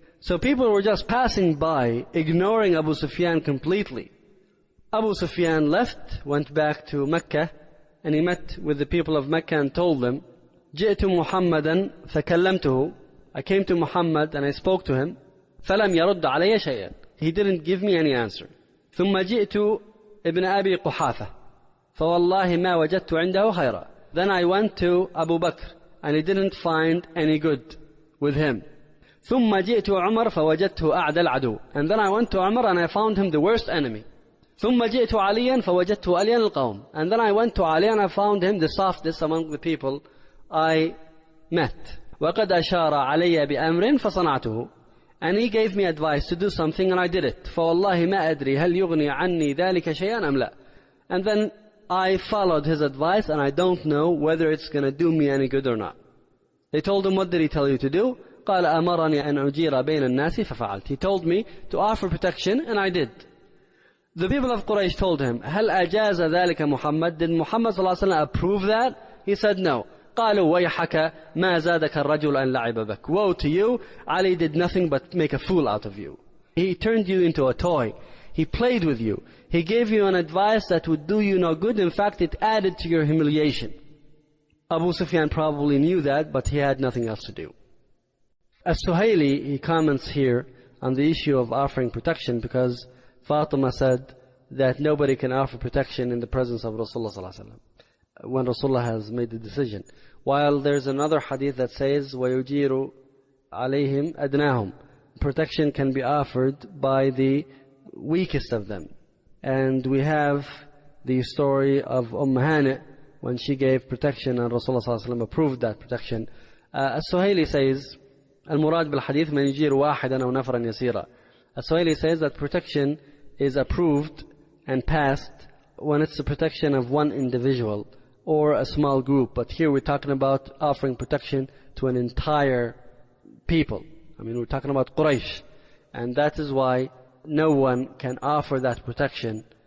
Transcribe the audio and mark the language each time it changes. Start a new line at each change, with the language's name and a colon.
English: So people were just passing by, ignoring Abu Sufyan completely. Abu Sufyan left, went back to Mecca, and he met with the people of Mecca and told them,
Arabic: جئت محمدا فكلمته.
English: I came to Muhammad and I spoke to him.
Arabic: فلم يرد علي شيئا.
English: He didn't give me any answer.
Arabic: ثم جئت ابن أبي قحافة. فوالله ما وجدت عنده خيرا.
English: Then I went to Abu Bakr and he didn't find any good with him.
Arabic: ثم جئت عمر فوجدته أعدى العدو.
English: And then I went to Umar and I found him the worst enemy.
Arabic: ثم جئت عليا فوجدته ألين القوم.
English: And then I went to Ali and I found him the softest among the people I met.
Arabic: وقد أشار علي بأمر فصنعته.
English: And he gave me advice to do something and I did it.
Arabic: فوالله ما أدري هل يغني عني ذلك شيئا أم لا.
English: And then I followed his advice and I don't know whether it's going to do me any good or not. They told him, what did he tell you to do?
Arabic: قال أمرني أن أجير بين الناس ففعلت.
English: He told me to offer protection and I did. The people of Quraysh told him,
Arabic: هل أجاز ذلك محمد?
English: Did Muhammad صلى الله عليه وسلم approve that? He said no.
Arabic: قالوا ويحك ما زادك الرجل أن لعب بك.
English: Woe to you, Ali did nothing but make a fool out of you. He turned you into a toy. He played with you. He gave you an advice that would do you no good. In fact, it added to your humiliation. Abu Sufyan probably knew that, but he had nothing else to do. As Suhaili, he comments here on the issue of offering protection because Fatima said that nobody can offer protection in the presence of Rasulullah sallallahu alaihi wasallam when Rasulullah has made the decision. While there's another hadith that says,
Arabic: وَيُجِيرُ عَلَيْهِمْ أَدْنَاهُمْ.
English: Protection can be offered by the weakest of them. And we have the story of Umm Hani when she gave protection and Rasulullah sallallahu alaihi wasallam approved that protection.
Arabic: As-Suhaili says, المراد بالحديث من يجير واحدا أو نفرا يسيرا.
English: As-Suhaili says that protection is approved and passed when it's the protection of one individual or a small group. But here we're talking about offering protection to an entire people. I mean, we're talking about Quraysh. And that is why no one can offer that protection.